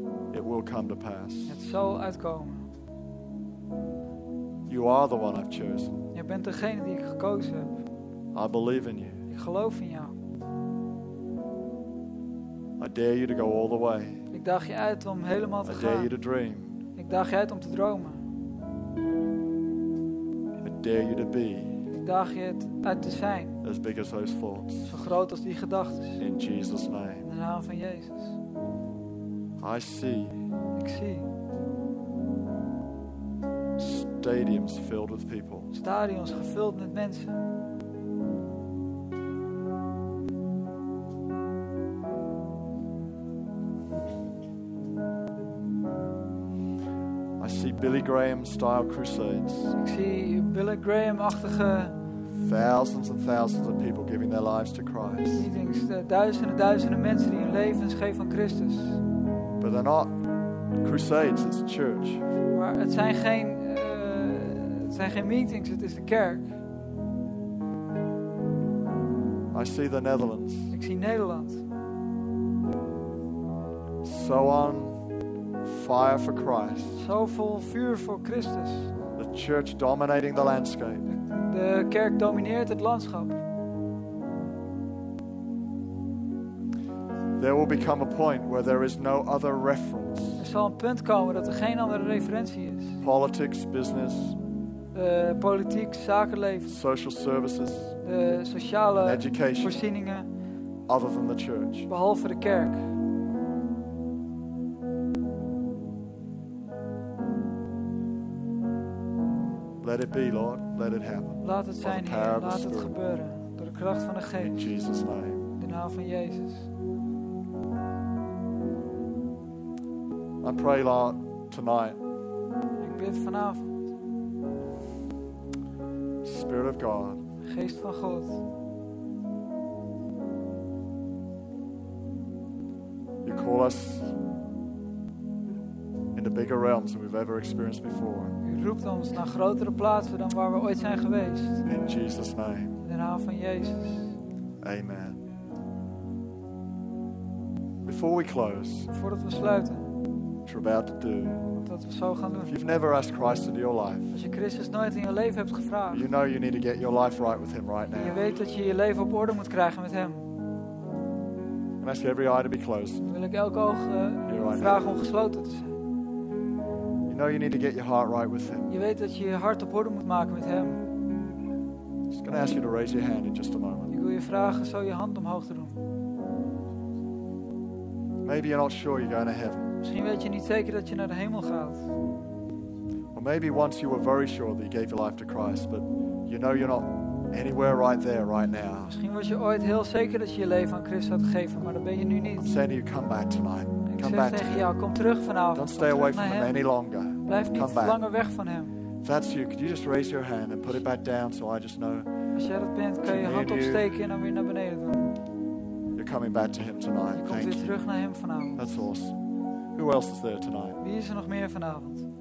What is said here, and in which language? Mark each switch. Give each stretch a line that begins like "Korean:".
English: It will come to pass.
Dutch: Het zal uitkomen.
English: You are the one I've chosen.
Dutch: Je bent degene die ik gekozen heb.
English: I believe in you.
Dutch: Ik geloof in jou.
English: I dare you to go all the way.
Dutch: Ik daag je uit om helemaal te
English: I
Dutch: gaan.
English: I dare you to dream.
Dutch: Ik daag je uit om te dromen.
English: I dare you to be.
Dutch: Daag je het uit te zijn.
English: As big as those thoughts.
Dutch: Zo groot als die gedachten.
English: In Jesus' name.
Dutch: In de naam van Jezus.
English: I see.
Dutch: Ik zie.
English: Stadiums filled with people.
Dutch: Stadions gevuld met mensen.
English: I see Billy Graham style crusades.
Dutch: Ik zie Billy Graham-achtige.
English: Thousands and thousands of people giving their lives to Christ.
Dutch: Duizenden en duizenden mensen die hun levens geven aan Christus.
English: But they're not crusades, it's church.
Dutch: Maar het zijn geen meetings, het is de kerk.
English: I see the Netherlands.
Dutch: Ik zie Nederland.
English: So on fire for Christ.
Dutch: Zo vol vuur voor Christus.
English: The church dominating the landscape.
Dutch: De kerk domineert het landschap.
English: There will become a point where there is no other reference.
Dutch: Er zal een punt komen dat er geen andere referentie is.
English: Politics, business.
Dutch: Politiek, zakenleven.
English: Social services.
Dutch: De sociale
English: education,
Dutch: voorzieningen.
English: Other than the church.
Dutch: Behalve de kerk.
English: Let it be, Lord. Let it happen.
Dutch: Laat het zijn, Heer. Laat het gebeuren. Door de kracht van de Geest.
English: In Jesus' name.
Dutch: De naam van Jezus.
English: I pray, Lord, tonight.
Dutch: Ik bid vanavond.
English: Spirit of God.
Dutch: Geest van God.
English: You call us into bigger realms than we've ever experienced before.
Dutch: Roept ons naar grotere plaatsen dan waar we ooit zijn geweest.
English: In Jesus' name.
Dutch: In de naam van Jezus.
English: Amen. Before we close.
Dutch: Voordat we sluiten.
English: What we're about to do.
Dutch: Wat we zo gaan doen.
English: If you've never asked Christ into your life.
Dutch: Als je Christus nooit in je leven hebt gevraagd.
English: You know you need to get your life right with Him right now.
Dutch: Je weet dat je je leven op orde moet krijgen met Hem.
English: And ask every eye to be closed.
Dutch: Dan wil ik elk oog vragen om gesloten te zijn.
English: No, you need to get your heart right with Him.
Dutch: Je weet dat je je hart op orde moet maken met Hem.
English: I'm just going to ask you to raise your hand in just a moment.
Dutch: Ik wil je vragen zo je hand omhoog te doen.
English: Maybe you're not sure you're going to heaven.
Dutch: Misschien weet je niet zeker dat je naar de hemel gaat.
English: Or maybe once you were very sure that you gave your life to Christ, but you know you're not anywhere right there right now.
Dutch: Misschien was je ooit heel zeker dat je je leven aan Christus had gegeven, maar dat ben je nu niet.
English: I'm saying to you, come back tonight. Come back
Dutch: tegen jou, kom terug vanavond.
English: Don't stay away from him any longer.
Dutch: Blijf niet langer weg van hem.
English: If that's you, could you just raise your hand and put it back down so I just know.
Dutch: Als jij dat bent, kan je hand opsteken en dan weer naar beneden doen.
English: You you're coming back to him tonight. Thank you.
Dutch: Terug naar hem vanavond.
English: That's awesome. Who else is there tonight?
Dutch: Wie is er nog meer vanavond?